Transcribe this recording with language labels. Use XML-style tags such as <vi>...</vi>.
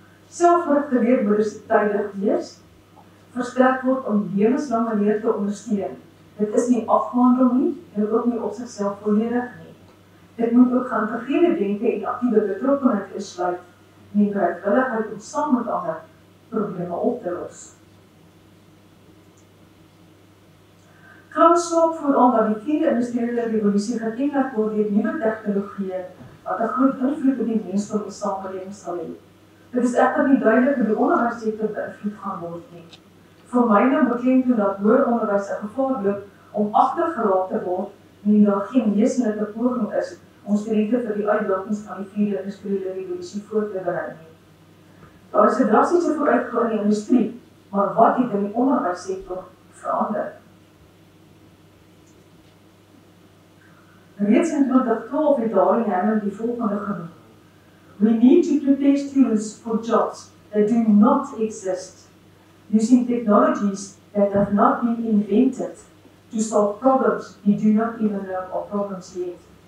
<af>Selfgerigte leer moet dus tydig wees, versterk word om lewenslange leer te ondersteun. Dit is nie afgehandel nie en ook nie op sigself volledig nie. Dit moet ook geïntegreerde denke en aktiewe betrokkenheid insluit en bereidwilligheid om saam met ander probleme op te los. Klaus slaap vooral dat die vierde industriële revolusie gekenmerk word deur nuwe tegnologieë wat 'n groot invloed op die menslike samelewing sal hê. Dit is egter nie duidelik hoe die onderwyssektor beïnvloed gaan word nie. Vir my nou beklemtoon dat hoër onderwys 'n gevaar loop om agtergelaat te word en daar geen wesentlike poging is om studente vir die uitdagings van die vierde industriële revolusie voor te berei nie. Daar is 'n drastiese vooruitgang in die industrie, maar wat het in die onderwyssektor verander? Reeds in 2012 het daar in Hemel die volgende genoem.</af> <en>We need to prepare students for jobs that do not exist, using technologies that have not been invented to solve problems we do not even know of problems yet.</en>